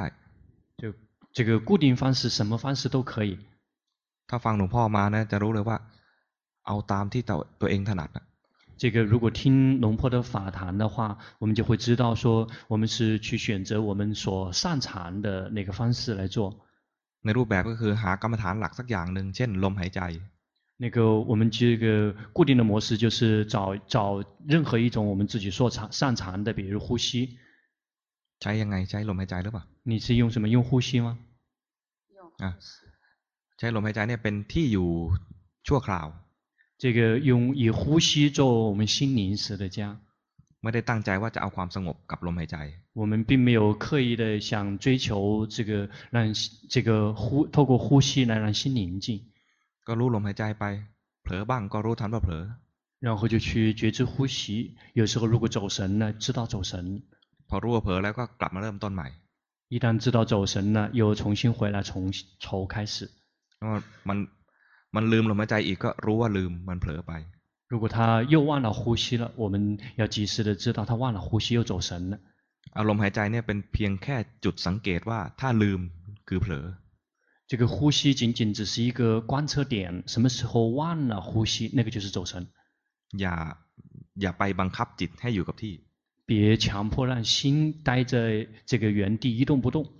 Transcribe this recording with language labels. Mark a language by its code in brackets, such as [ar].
[zh] 这个固定方式什么方式都可以 [th] ถ้าฟังหลวงพ่อมานะจะรู้เลยว่าเอาตามที่ตัวเองถนัดนะ [zh] 这个如果听龙婆的法谈的话我们就会知道说我们是去选择我们所擅长的那个方式来做 [th] ในรูปแบบก็คือหากรรมฐานหลักสักอย่างหนึ่งเช่นลมหายใจ [zh] 那个我们这个固定的模式就是找任何一种我们自己所擅长的比如呼吸 [th] ใช้ยังไงใช้ลมหายใจหรือเปล่า [zh] 你是用什么用呼吸吗用呼吸 [th] ใช้ลมหายใจเนี่ยเป็นที่อยู่ชั่วคราว [zh] 这个用以呼吸做我们心临时的家 [th] ไม่ได้ตั้งใจว่าจะเอาความสงบกับลมหายใจ [zh] 我们并没有刻意的想追求这个让这个呼透过呼吸来让心宁静 [th] ก็รู้ลมหายใจไปเผลอบ้างก็รู้ทันว่าเผลอ [zh] 然后就去觉知呼吸有时候如果走神呢知道走神 [th] พอรู้เผลอแล้วก็กลับมาเริ่มต้นใหม่ [zh] 一旦知道走神了又重新回来从头开始那么 [th] มันลืมลมหายใจอีกก็รู้ว่าลืมมันเผลอไป [zh] 如果他又忘了呼吸了我们要及时的知道他忘了呼吸又走神了 [th] อารมณ์หายใจเนี่ยเป็นเพียงแค่จุดสังเกตว่าถ้าลืมคือเผลอ [zh] 这个呼吸仅仅只是一个观测点什么时候忘了呼吸那个就是走神 [th] อย่าไปบังคับจิตให้อยู่กับที่ [zh] 别强迫让心待在这个原地一动不动